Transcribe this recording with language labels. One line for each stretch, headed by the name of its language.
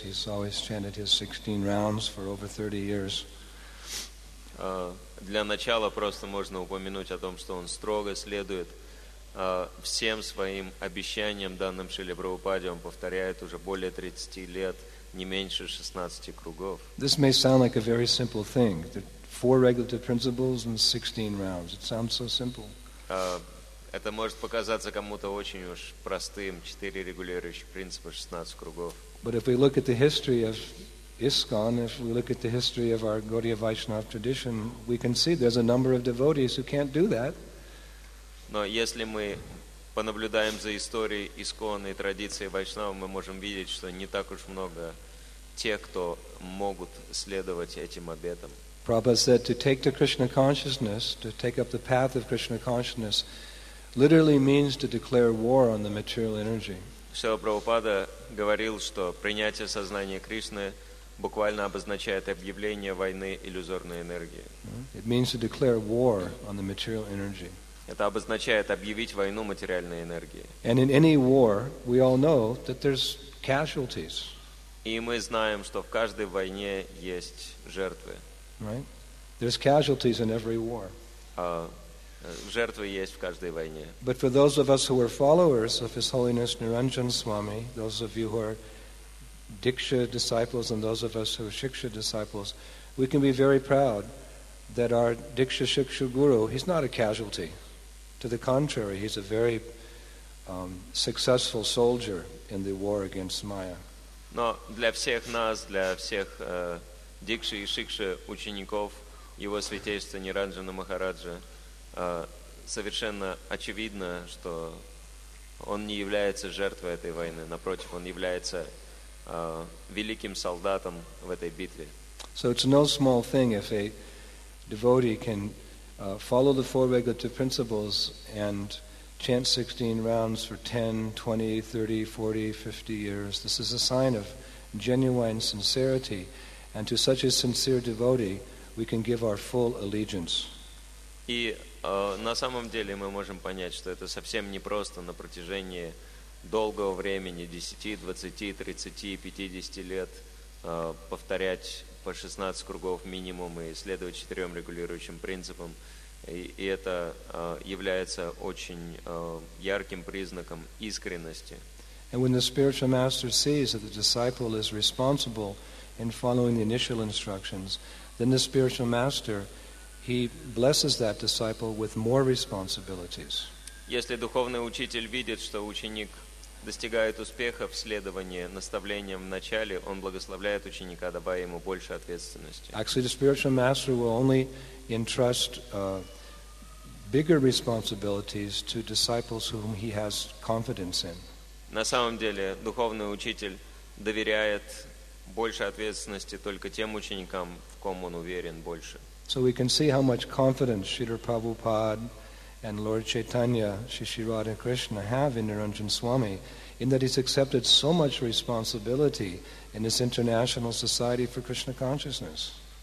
English: He's always chanted his 16 rounds for over 30 years.
Russian: Для начала просто можно упомянуть о том, что он строго следует всем своим обещаниям, данным Шриле Прабхупаде. Он повторяет уже более 30 лет, не меньше 16 кругов.
English: This may sound like a very simple thing. Four regulative principles and 16 rounds. It sounds so simple.
Russian: Это может показаться кому-то очень уж простым, 4 регулирующих принципа, 16 кругов.
English: But if we look at the history of ISKCON, if we look at the history of our Gaudiya Vaishnava tradition, we can see there's a number of devotees who can't do that.
Russian: Но если мы понаблюдаем за историей ISKCON и традицией Вайшнава, мы можем видеть, что не так уж много тех, кто могут следовать этим обетам.
English: Prabhupada said to take to Krishna consciousness, to take up the path of Krishna consciousness, literally means to declare war on the material energy.
Russian: Шрила Прабхупада говорил, что принятие сознания Кришны буквально обозначает объявление войны иллюзорной энергии.
English: It means to declare war on the material energy.
Russian: Это обозначает объявить войну материальной энергии.
English: And in any war, we all know that there's casualties.
Russian: И мы знаем, что в каждой войне есть жертвы.
English: Right? There's casualties in every war.
Russian: Жертвы есть в каждой войне.
English: But for those of us who are followers of His Holiness Niranjan Swami, those of you who are Diksha disciples and those of us who are Shiksha disciples, we can be very proud that our Diksha Shiksha Guru, he's not a casualty. To the contrary, he's a very successful soldier in the war against Maya.
Russian: Но для всех нас, для всех Дикши и Шикши учеников Его Святейства Ниранджана Махараджа, совершенно очевидно, что он не является жертвой этой войны. Напротив, он является великим солдатом в этой битве.
English: So it's no small thing if a devotee can follow the four regulative principles and chant 16 rounds for 10, 20, 30, 40, 50 years. This is a sign of genuine sincerity. And to such a sincere devotee, we can give our full allegiance.
Russian: И на самом деле мы можем понять, что это совсем не просто на протяжении долгого времени, 10, 20, 30, 50 лет, повторять по 16 кругов минимум и следовать четырем регулирующим принципам. И это является очень ярким признаком искренности.
English: And when the spiritual master sees that the disciple is responsible in following the initial instructions, then the spiritual master, he blesses that disciple with more responsibilities.
Russian: Если духовный учитель видит, что ученик достигает успеха в следовании наставлениям в начале, он благословляет ученика, давая ему больше ответственности.
English: Actually, the spiritual master will only entrust bigger responsibilities to disciples whom he has confidence in.
Russian: На самом деле, духовный учитель доверяет больше ответственности только тем ученикам, в ком он уверен больше.
English: So we can see how much confidence Śrīla Prabhupāda and Lord Chaitanya, Śrīla Radha Krishna have in Niranjan Swami, in that he's accepted so much responsibility in this International Society for Krishna Consciousness.